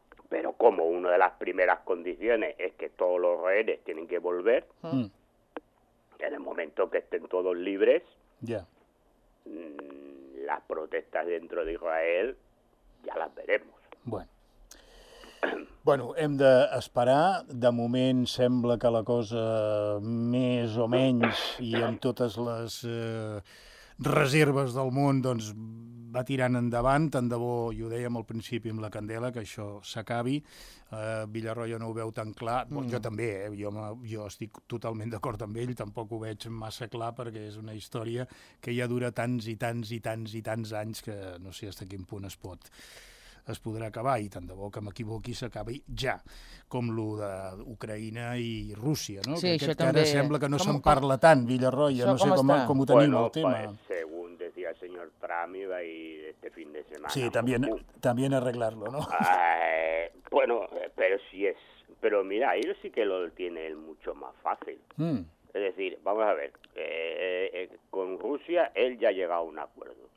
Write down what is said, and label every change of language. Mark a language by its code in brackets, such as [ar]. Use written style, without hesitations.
[es] Pero como una de las primeras condiciones es que todos los rehenes tienen que volver, en el momento que estén todos libres, las protestas dentro de Israel ya las veremos. [ca] Bueno, hem d'esperar. De moment sembla que la cosa més o menys i amb totes les... reserves del món, doncs, va tirant endavant. Tant de bo, i ho dèiem al principi amb la Candela, que això s'acabi. Villarroya no ho veu tan clar. Bon, jo també, jo estic totalment d'acord amb ell, tampoc ho veig massa clar, perquè és una història que ja dura tants i tants i tants i tants anys que no sé fins a quin punt es podrà acabar, i tant de bo que m'equivoqui s'acabi ja, com lo d'Ucraïna i Rússia, no? Sí, que també... ara sembla que no se'n parla tant, Villarroya, no sé com ho tenim, bueno, el tema. [es] Según decía el señor Trump, iba a ir este fin de semana. Sí, también arreglarlo, ¿no? Bueno, pero si es... Pero mira, él sí que lo tiene él mucho más fácil. Es decir, vamos a ver, con Rusia él ya ha llegado a un acuerdo.